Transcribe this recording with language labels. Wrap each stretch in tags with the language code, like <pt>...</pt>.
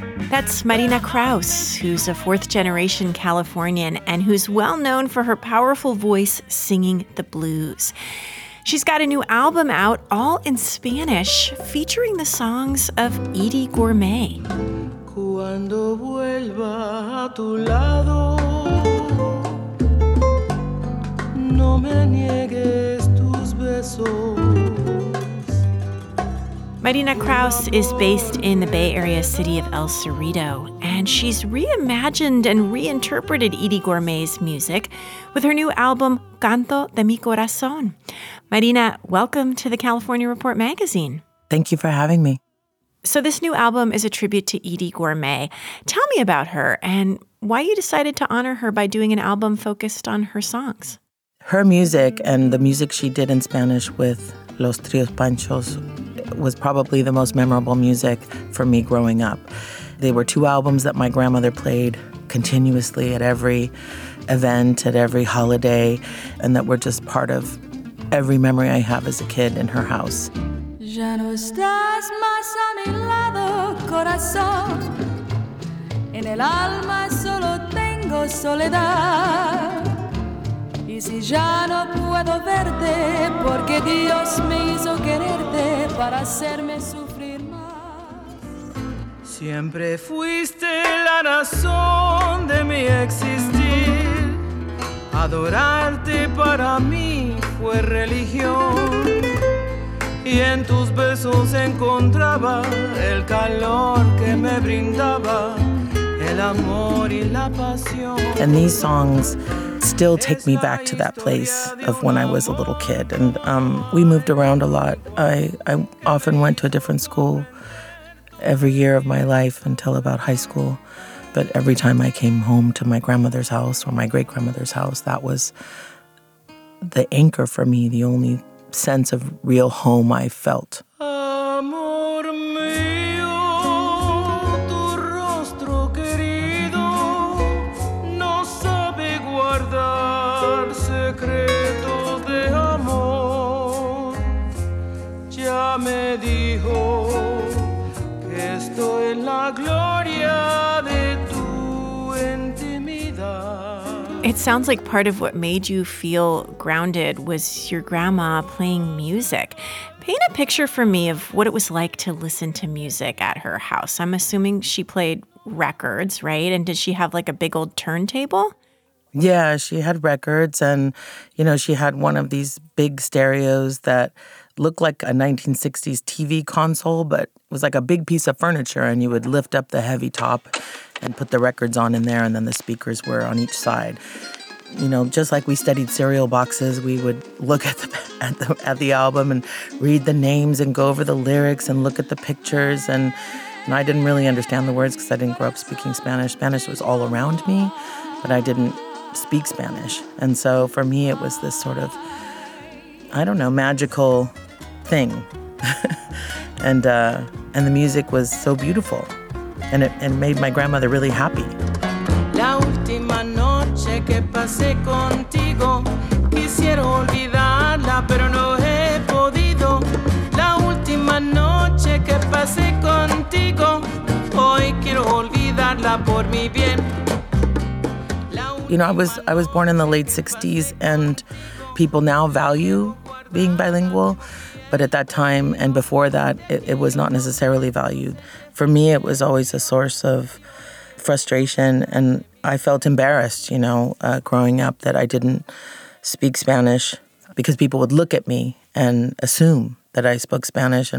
<en>That's Marina Crouse, who's a fourth-generation Californian and who's well-known for her powerful voice singing the blues. She's got a new album out, all in Spanish, featuring the songs of Eydie Gorme.</en> <es>Cuando vuelva a tu lado, no me niegues tus besos.</es> <en>Marina Crouse is based in the Bay Area city of El Cerrito, and she's reimagined and reinterpreted Eydie Gorme's music with her new album, Canto de mi Corazon. Marina, welcome to the California Report magazine. Thank you for having me. So this new album is a tribute to Eydie Gorme. Tell me about her and why you decided to honor her by doing an album focused on her songs. Her music and the music she did in Spanish with Los Trios Panchos was probably the most memorable music for me growing up. They were two albums that my grandmother played continuously at every event, at every holiday, and that were just part of every memory I have as a kid in her house.</en> <es>Ya no estás más a mi lado, corazón. En el alma solo tengo soledad. Y si ya no puedo verte porque Dios me hizo quererte para hacerme sufrir más. Siempre fuiste la razón de mi existir. Adorarte para mí fue religión. Y en tus besos encontraba el calor que me brindaba el amor y la pasión.</es> <en>And these songs still take me back to that place of when I was a little kid. And we moved around a lot. I often went to a different school every year of my life until about high school. But every time I came home to my grandmother's house or my great-grandmother's house, that was the anchor for me, the only sense of real home I felt.</en> <es>Amor mío, tu rostro querido no sabe guardar secretos de amor. Ya me dijo que estoy en la gloria de tu intimidad.</es> <en>It sounds like part of what made you feel grounded was your grandma playing music. Paint a picture for me of what it was like to listen to music at her house. I'm assuming she played records, right? And did she have like a big old turntable? Yeah, she had records and, you know, she had one of these big stereos that looked like a 1960s TV console, but it was like a big piece of furniture and you would lift up the heavy top and put the records on in there, and then the speakers were on each side. You know, just like we studied cereal boxes, we would look at the album and read the names and go over the lyrics and look at the pictures. And I didn't really understand the words because I didn't grow up speaking Spanish. Spanish was all around me, but I didn't speak Spanish. And so for me, it was this sort of, I don't know, magical thing. And the music was so beautiful. And it and made my grandmother really happy.</en> <es>La última noche que pasé contigo, quisiera olvidarla, pero no he podido. La última noche que pasé contigo, hoy quiero olvidarla por mi bien.</es> <en>You know, I was born in the late 60s, and people now value being bilingual. But at that time and before that, it was not necessarily valued. For me, it was always a source of frustration, and I felt embarrassed, you know, growing up that I didn't speak Spanish because people would look at me and assume that I spoke Spanish.</en>